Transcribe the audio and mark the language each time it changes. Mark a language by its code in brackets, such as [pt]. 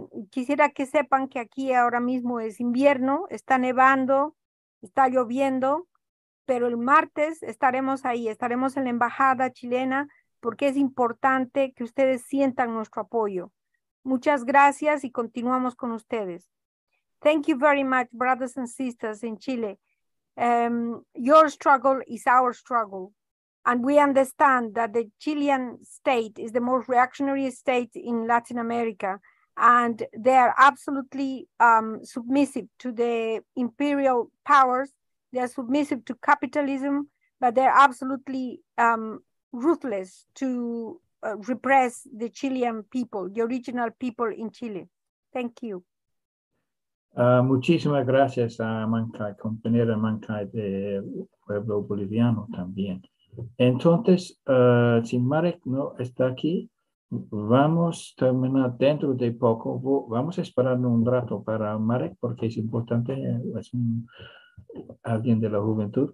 [es] Quisiera que sepan que aquí ahora mismo es invierno, está nevando, está lloviendo, pero el martes estaremos ahí, estaremos en la embajada chilena, porque es importante que ustedes sientan nuestro apoyo. Muchas gracias y continuamos con ustedes. [en] Thank you very much, brothers and sisters in Chile. Your struggle is our struggle. And we understand that the Chilean state is the most reactionary state in Latin America. And they are absolutely submissive to the imperial powers. They are submissive to capitalism, but they're absolutely ruthless to repress the Chilean people, the original people in Chile. Thank you. [es] Muchísimas gracias a Mankai, compañera Mankai de Pueblo Boliviano también. Entonces, si Marek no está aquí, vamos a terminar dentro de poco. Vamos a esperar un rato para Marek porque es importante, es alguien de la juventud.